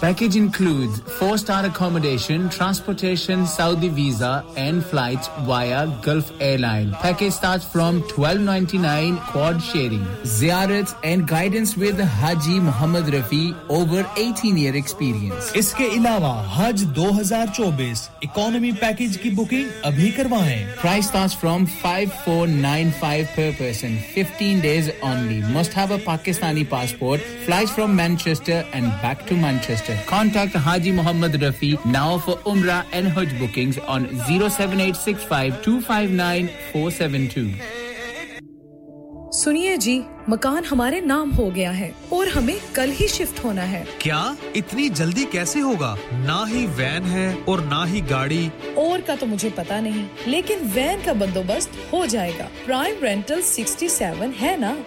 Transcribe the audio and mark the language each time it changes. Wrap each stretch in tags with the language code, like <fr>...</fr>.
<en>package includes 4 star accommodation transportation Saudi visa and flight via Gulf airline package start from 1299 quad sharing زیارت and guidance with Haji Mohammad Rafi over 18 year experience</en> <ur>اس کے علاوہ حج 2024 economy package کی booking ابھی کروائیں</ur> <en>price starts from 5495 per person 15 days only must have a Pakistani passport flies from Manchester and back to Manchester contact Haji Muhammad Rafi now for Umrah and Hajj bookings on 07865259472</en> <ur>سنیے جی مکان ہمارے نام ہو گیا ہے اور ہمیں کل ہی شفٹ ہونا ہے کیا اتنی جلدی کیسے ہوگا نہ ہی وین ہے اور نہ ہی گاڑی اور کا تو مجھے پتا نہیں لیکن وین کا بندوبست ہو جائے گا پرائم رینٹل 67 ہے نا</ur>